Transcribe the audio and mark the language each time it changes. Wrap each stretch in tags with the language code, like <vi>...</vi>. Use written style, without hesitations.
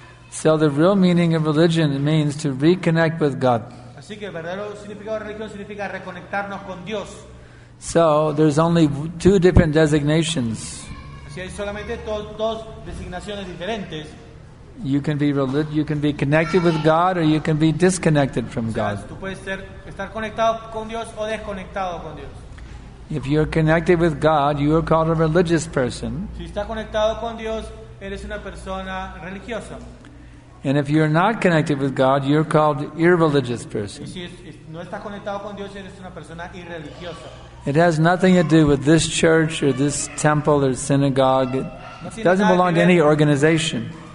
<en>So the real meaning of religion means to reconnect with God.</en> <es>Así que el verdadero significado de religión significa reconectarnos con Dios.</es> <en>So there's only two different designations.</en> <es>Así hay solamente dos designaciones diferentes.</es> <en>You can be connected with God or you can be disconnected from God.</en> <es>Tú puedes estar conectado con Dios o desconectado con Dios.</es> <en>If you're connected with God, you are called a religious person.</en> <es>Si estás conectado con Dios, eres una persona religiosa.</es> <en>And if you're not connected with God, you're called an irreligious person. It has nothing to do with this church or this temple or synagogue. It doesn't belong to any organization.</en>